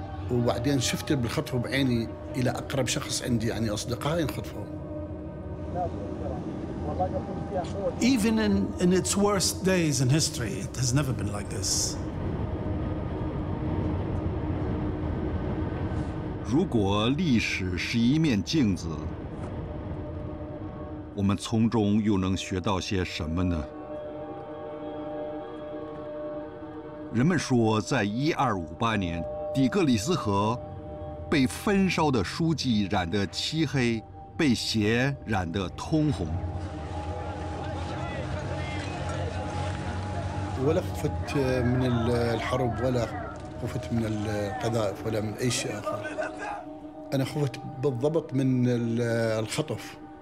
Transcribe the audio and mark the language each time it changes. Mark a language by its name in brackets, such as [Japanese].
[Arabic] وبعدين شفت بالخطفوا بعيني إلى أقرب شخص عندي يعني أصدقائي انخطفوا. [English] Even in its worst days in history, it has never been like this. [Chinese] 如果历史是一面镜子, 我们从中又能学到些什么呢? 人们说在1258年, 底格里斯河被焚烧的书记染得漆黑, 被血染得通红。 [Arabic] ولا خفت من الحرب ولا خفت من القذائف ولا من أي شيء آخر. أنا خفت بالضبط من الخطف.